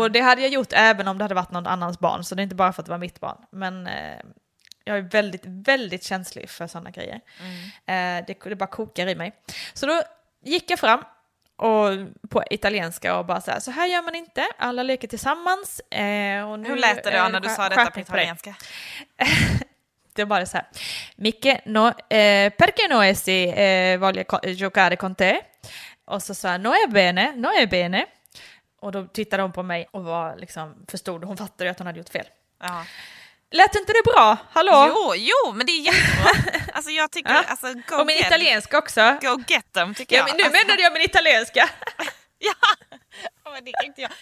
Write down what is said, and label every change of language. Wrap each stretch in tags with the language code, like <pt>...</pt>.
<sv>Och det hade jag gjort även om det hade varit någon annans barn, så det är inte bara för att det var mitt barn, men jag är väldigt, väldigt känslig för sådana grejer. Mm. Det bara kokar i mig. Så då gick jag fram och på italienska och bara så här gör man inte. Alla leker tillsammans. Och nu, hur lät det då när du sa detta på italienska? Det var bara så här.</sv> <it>Micke, no, perché no essi voglio giocare con te?</it> <sv>Och så sa</sv> <it>no è bene, no è bene.</it> <sv>Och då tittade hon på mig och var, liksom, förstod. Hon fattade att hon hade gjort fel. Ja. Lät inte det bra? Hallå? Jo, men det är jättebra. Alltså jag tycker... Ja. Alltså, go och min italienska också.</sv> <en>Go get them,</en> <sv>tycker jag. Men nu menade jag min italienska. Ja, men det är inte jag.</sv>